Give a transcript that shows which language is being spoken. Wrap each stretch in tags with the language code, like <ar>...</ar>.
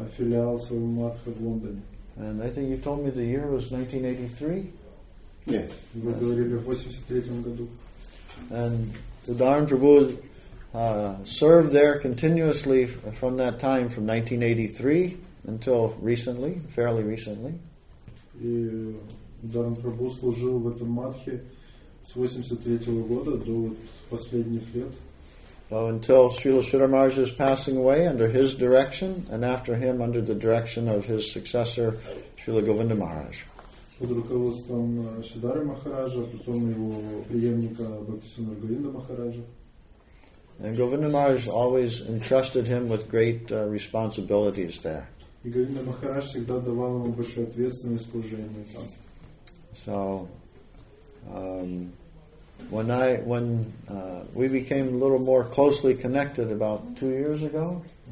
<en>And I think you told me the year was 1983? Yes. And Udaran Prabhu served there continuously from that time, from 1983. Until recently, fairly recently.</en> <ru>И Даран Прабху служил в этом матхе 83-го года до вот последних лет.</ru> <en>Until Srila Sridhar Maharaj is passing away under his direction, and after him under the direction of his successor, Srila Govinda Maharaj.</en> <ru>Под руководством Шридхара Махараджа, потом его преемника Бхактисиддханта Говинда Махараджа.</ru> <en>And Govinda Maharaj always entrusted him with great responsibilities there.</en> <ru>И Говинда Махарадж всегда давал ему большую ответственность в служении там.</ru> <en>So, when we became a little more closely connected about 2 years ago,</en>